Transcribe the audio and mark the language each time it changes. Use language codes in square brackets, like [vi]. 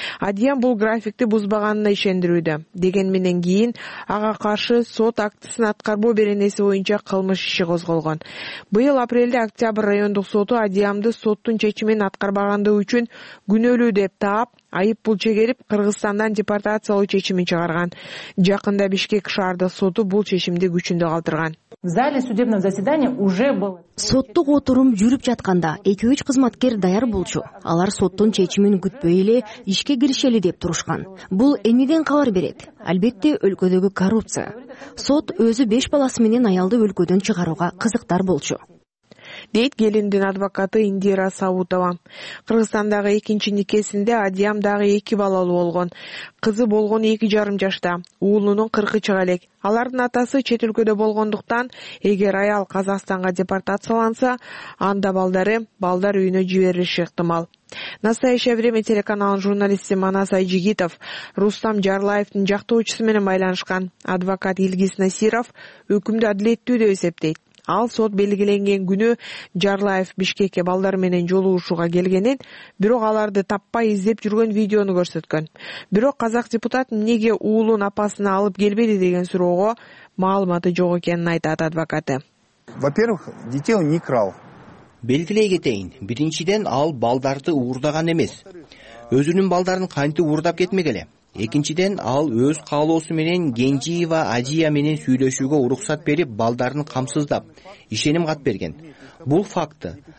[ky] Адиям бул графикти бузбаганына ишендирүүдө. Деген менен кийин ага каршы сот актысын аткарбоо беренеси боюнча кылмыш иши козголгон. Быйыл апрелде Октябрь райондук соту Адиямды соттун чечимин аткарбагандыгы үчүн күнөлүү деп таап, айып пул чегерип, Кыргызстандан депортациялоо чечимин чыгарган. Жакында Бишкек шаардык соту бул чечимди күчүндө калтырган. [ru] В зале судебного заседания уже было. [ky] Соттук отурум жүрүп жатканда 2-3 кызматкер даяр болчу. Алар соттун чечимин күтпөй эле ишке киришели деп турушкан. Бул эмнеден кабар берет? Албетте, өлкөдөгү коррупция. Сот өзү 5 баласы менен аялды өлкөдөн чыгарууга кызыктар болчу. Дейт келиндин адвокаты Индира Савутова. Кыргызстандагы экинчи никесинде Адиям дагы 2 балалуу болгон. Кызы болгон 2.5 жашта, уулунун 40 чыга элек. Алардын атасы чет өлкөдө болгондуктан, эгер аял Казакстанга депортацияланса, анда балдары балдар үйүнө жиберилиши ыктымал. Настоящее время телеканалынын журналисти Манас Айжигитов Рустам Жарлаевдин жактоочусу менен байланышкан. Адвокат Илгиз Насиров өкүмдү адилеттүү деп эсептейт. Ал сот белгиленген күнү Жарлаев Бишкекке балдар менен жолугушууга келгенин, бирок аларды таппай издеп жүргөн видеону көрсөткөн. Бирок казак депутат эмнеге уулун апасына алып келбеди деген суроого маалыматы жок экенин айтат адвокаты. [ru] Во-первых, детей он не крал. [ky] Белгилей кетейин, биринчиден ал балдарды уурдаган эмес. Өзүнүн балдарын кантип уурдап кетмек эле? Экинчиден ал өз каалоосу менен Кенжиева Адия менен сүйлөшүүгө уруксат берип, балдарын камсыздап, ишеним кат берген. Бул факты.